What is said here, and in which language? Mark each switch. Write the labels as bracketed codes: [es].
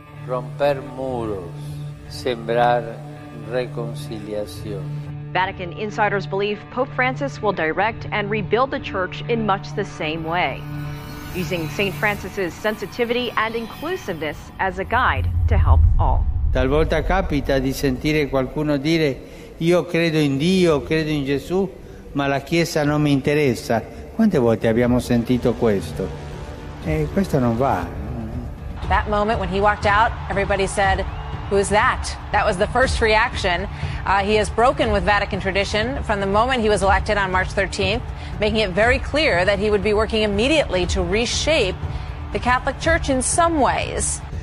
[es] Romper muros. Sembrar reconciliación. [en] Vatican insiders believe Pope Francis will direct and rebuild the church in much the same way, using St. Francis's sensitivity and inclusiveness as a guide to help all. [it] Talvolta capita di sentire qualcuno dire, io credo in Dio, credo in Gesù, ma la Chiesa non mi interessa. Quante volte abbiamo sentito questo? Questo non va. [en] That moment when he walked out, everybody said, who is that? That was the first reaction. He has broken with Vatican tradition from the moment he was elected on March 13th, making it very clear that he would be working immediately to reshape the Catholic Church in some ways.